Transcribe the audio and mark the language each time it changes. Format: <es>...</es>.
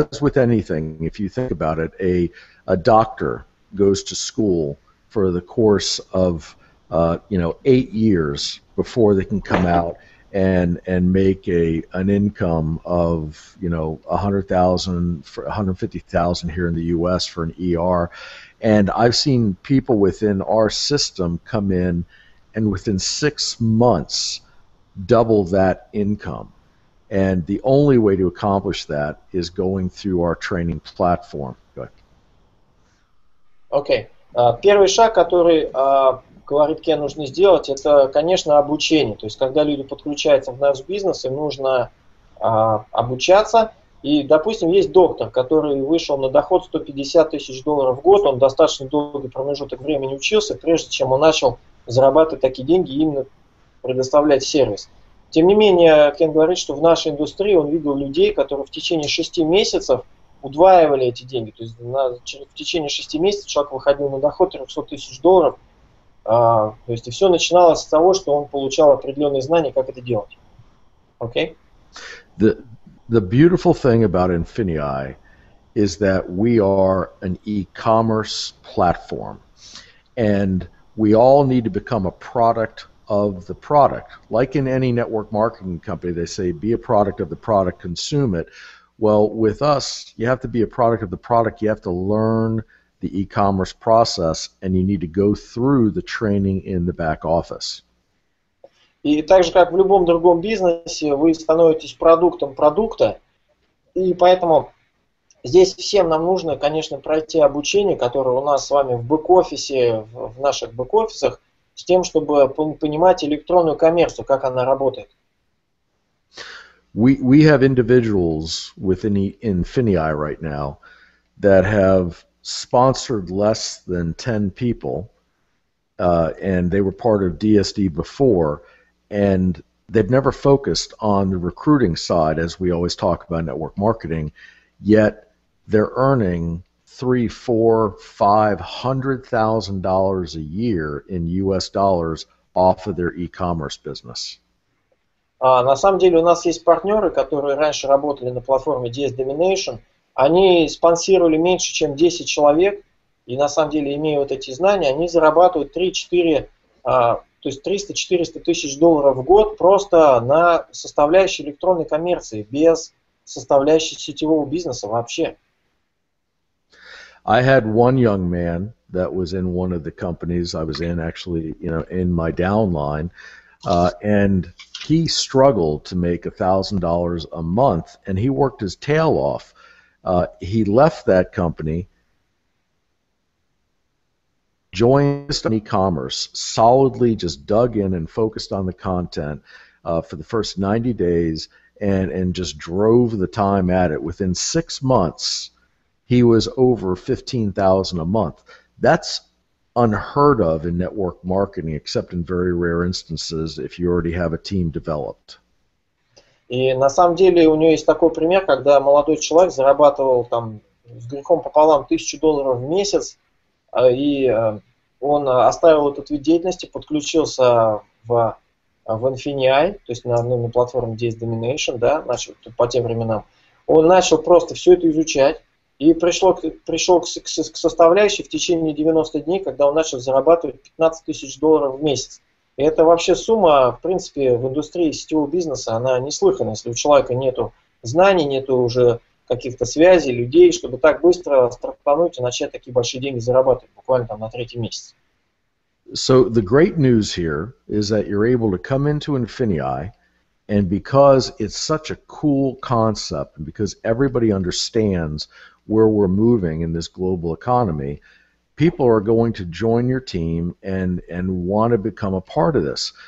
<en>As with anything, if you think about it, a doctor goes to school for the course of 8 years before they can come out and make an income of $100,000, $150,000 here in the U.S. for an ER. And I've seen people within our system come in and within 6 months double that income. And the only way to accomplish that is going through our training platform. Good. Okay.</en> <ru>Первый шаг, который говорит Кен, нужно сделать, это, конечно, обучение. То есть, когда люди подключаются в наш бизнес, им нужно обучаться. И, допустим, есть доктор, который вышел на доход $150,000 в год. Он достаточно долгий промежуток времени учился, прежде чем он начал зарабатывать такие деньги и именно предоставлять сервис. Тем не менее, Кен говорит, что в нашей индустрии он видел людей, которые в течение 6 месяцев удваивали эти деньги. То есть в течение 6 месяцев человек выходил на доход $300,000. То есть и все начиналось с того, что он получал определенные знания, как это делать. Okay?</ru> <en>The beautiful thing about Infinii is that we are an e-commerce platform. And we all need to become a product of the product. Like in any network marketing company, they say be a product of the product, consume it. Well, with us, you have to be a product of the product. You have to learn the e-commerce process, and you need to go through the training in the back office.</en> <ru>И так же, как в любом другом бизнесе, вы становитесь продуктом продукта, и поэтому здесь всем нам нужно, конечно, пройти обучение, которое у нас с вами в бэк-офисе, в наших бэк-офисах. с тем, чтобы понимать электронную коммерцию, как она работает.</ru> <en>We have individuals within Infinii right now that have sponsored less than 10 people, and they were part of DSD before, and they've never focused on the recruiting side, as we always talk about network marketing, yet they're earning $300,000-$500,000 a year in US dollars off of their e-commerce business.</en> <ru>На самом деле у нас есть партнеры, которые раньше работали на платформе DS Domination. Они спонсировали меньше, чем 10 человек, и на самом деле, имея вот эти знания, они зарабатывают 3-4, то есть 300-400 тысяч долларов в год просто на составляющей электронной коммерции, без составляющей сетевого бизнеса вообще.</ru> <en>I had one young man that was in one of the companies I was in, actually, you know, in my downline, and he struggled to make $1,000 a month, and he worked his tail off. He left that company, joined an e-commerce, solidly just dug in and focused on the content for the first 90 days, and just drove the time at it. Within 6 months, he was over $15,000 a month. That's unheard of in network marketing, except in very rare instances if you already have a team developed.</en> <ru>И на самом деле у него есть такой пример, когда молодой человек зарабатывал там с грехом пополам $1,000 в месяц, и он оставил этот вид деятельности, подключился в Infinii, то есть на платформе DS Domination, да, начал по тем временам. Он начал просто все это изучать. И пришел к составляющей в течение 90 дней, когда он начал зарабатывать $15,000 в месяц. И это вообще сумма, в принципе, в индустрии сетевого бизнеса, она неслыханная. Если у человека нет знаний, нет уже каких-то связей, людей, чтобы так быстро стартануть и начать такие большие деньги зарабатывать буквально там на третий месяц.</ru> <en>So the great news here is that you're able to come into Infinii, and because it's such a cool concept, and because everybody understands where we're moving in this global economy, people are going to join your team and want to become a part of this.</en>